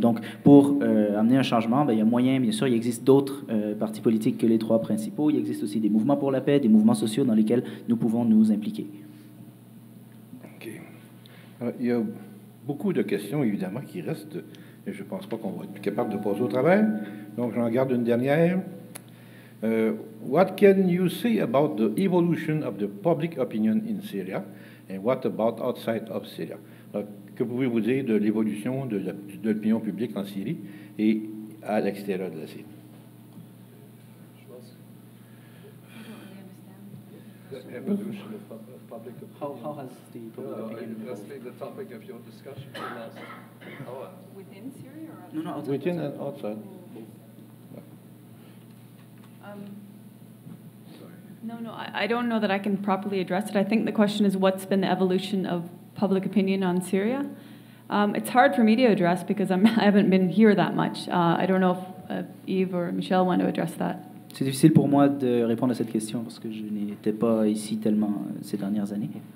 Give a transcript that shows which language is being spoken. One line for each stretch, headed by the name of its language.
French: Donc, pour amener un changement, il y a moyen, bien sûr, il existe d'autres partis politiques que les trois principaux. Il existe aussi des mouvements pour la paix, des mouvements sociaux dans lesquels nous pouvons nous impliquer. OK. Il y a beaucoup de questions, évidemment, qui restent, et je ne pense pas qu'on va être capable de passer au travers. Donc, j'en garde une dernière.
English: What can you say about the evolution of the public opinion in Syria, and what about outside of Syria?
French: Que pouvez-vous dire de l'évolution de l'opinion publique en Syrie et à l'extérieur de la Syrie?
English: How has the public opinion been the topic of your discussion for the last hour? Within Syria or outside? No, outside. Within outside. And outside. I don't know that I can properly address it. I think the question is what's been the evolution of public opinion on Syria? It's hard for me to address because I haven't been here that much. I don't know if Yves or Michel want to address that.
French: C'est difficile pour moi de répondre à cette question parce que je n'étais pas ici tellement ces dernières années.